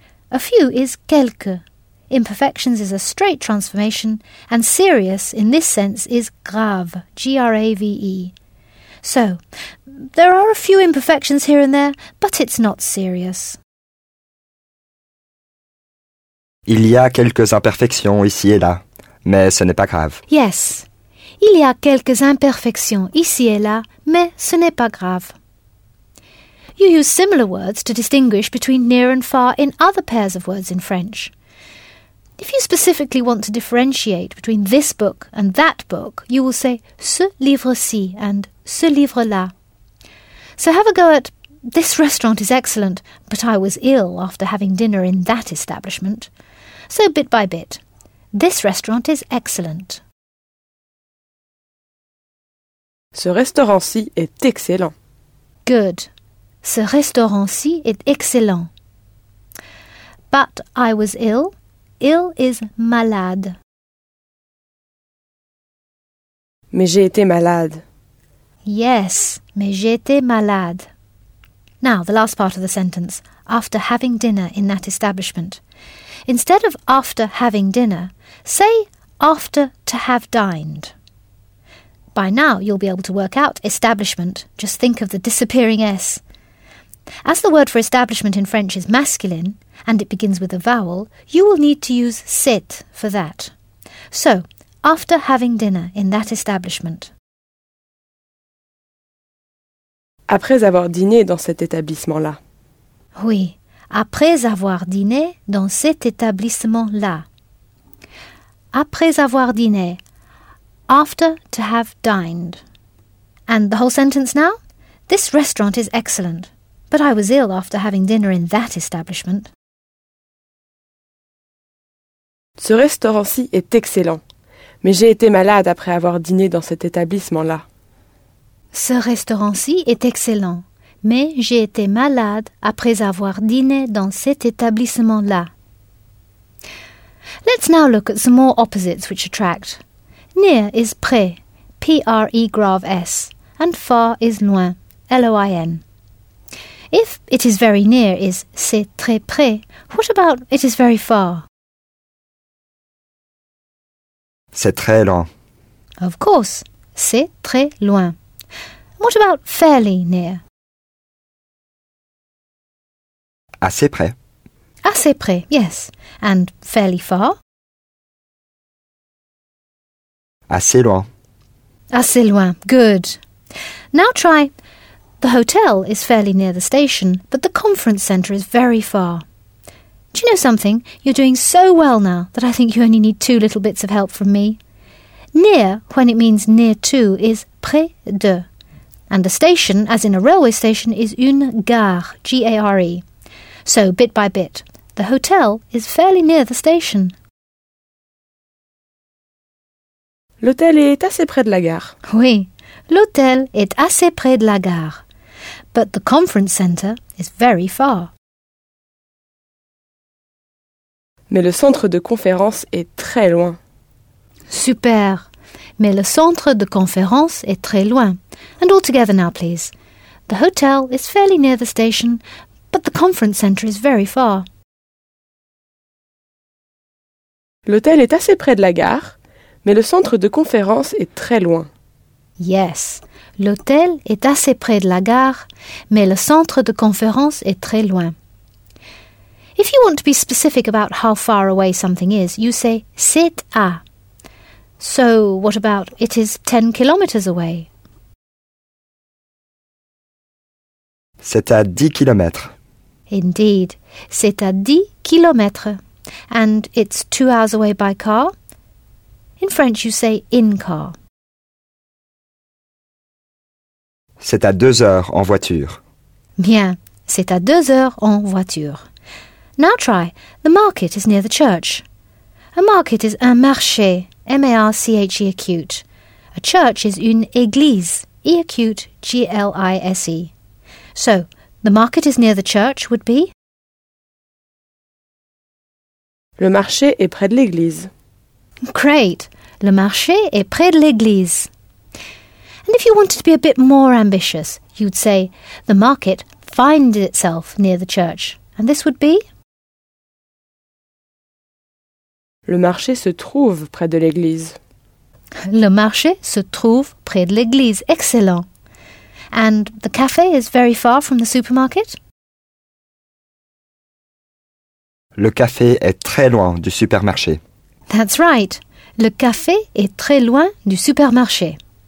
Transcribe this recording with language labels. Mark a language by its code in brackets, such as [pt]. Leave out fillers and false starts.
[en] A few is quelques. Imperfections is a straight transformation, and serious in this sense is grave, G-R-A-V-E. So, there are a few imperfections here and there, but it's not serious. [fr] Il y a quelques imperfections ici et là, mais ce n'est pas grave. [en] Yes. [fr] Il y a quelques imperfections ici et là, mais ce n'est pas grave. [en] You use similar words to distinguish between near and far in other pairs of words in French. If you specifically want to differentiate between this book and that book, you will say [fr] ce livre-ci [en] and [fr] ce livre-là. [en] So have a go at this restaurant is excellent, but I was ill after having dinner in that establishment. So bit by bit, this restaurant is excellent. [fr] Ce restaurant-ci est excellent. [en] Good. [fr] Ce restaurant-ci est excellent. [en] But I was ill. Ill is malade. [fr] Mais j'ai été malade. Yes, mais j'ai été malade. [en] Now, the last part of the sentence. After having dinner in that establishment. Instead of after having dinner, say after to have dined. By now, you'll be able to work out establishment. Just think of the disappearing S. As the word for establishment in French is masculine, and it begins with a vowel, you will need to use sit for that. So, after having dinner in that establishment. [fr] Après avoir dîné dans cet établissement-là. Oui, après avoir dîné dans cet établissement-là. Après avoir dîné. [en] After to have dined. And the whole sentence now? This restaurant is excellent, but I was ill after having dinner in that establishment. [fr] Ce restaurant-ci est excellent, mais j'ai été malade après avoir dîné dans cet établissement-là. Ce restaurant-ci est excellent, mais j'ai été malade après avoir dîné dans cet établissement-là. [en] Let's now look at some more opposites which attract. Near is près, P-R-E grave S, and far is loin, L-O-I-N. If it is very near is [fr] c'est très près, [en] what about it is very far? [fr] C'est très loin. [en] Of course, [fr] c'est très loin. [en] What about fairly near? [fr] Assez près. Assez près, [en] yes. And fairly far? [fr] Assez loin. Assez loin. [en] Good. Now try. The hotel is fairly near the station, but the conference centre is very far. Do you know something? You're doing so well now that I think you only need two little bits of help from me. Near, when it means near to, is près de. And the station, as in a railway station, is une gare, G-A-R-E. So, bit by bit, the hotel is fairly near the station. [fr] L'hôtel est assez près de la gare. Oui, l'hôtel est assez près de la gare. [en] But the conference centre is very far. [fr] Mais le centre de conférence est très loin. [en] Super. [fr] Mais le centre de conférence est très loin. [en] And all together now, please. The hotel is fairly near the station, but the conference centre is very far. [fr] L'hôtel est assez près de la gare. Mais le centre de conférence est très loin. Yes, l'hôtel est assez près de la gare, mais le centre de conférence est très loin. [en] If you want to be specific about how far away something is, you say [fr] c'est à. [en] So, what about it is 10 kilometers away? [fr] C'est à 10 kilomètres. Indeed, c'est à 10 kilomètres. [en] And it's 2 hours away by car? In French, you say in car. [fr] C'est à 2 heures en voiture. Bien, c'est à 2 heures en voiture. [en] Now try. The market is near the church. A market is un marché, M-A-R-C-H-E acute. A church is une église, E-acute G-L-I-S-E. So, the market is near the church would be? [fr] Le marché est près de l'église. [en] Great! [fr] Le marché est près de l'église. [en] And if you wanted to be a bit more ambitious, you'd say, the market finds itself near the church. And this would be? [fr] Le marché se trouve près de l'église. Le marché se trouve près de l'église. [en] Excellent. And the café is very far from the supermarket? [fr] Le café est très loin du supermarché. [en] That's right. [fr] Le café est très loin du supermarché.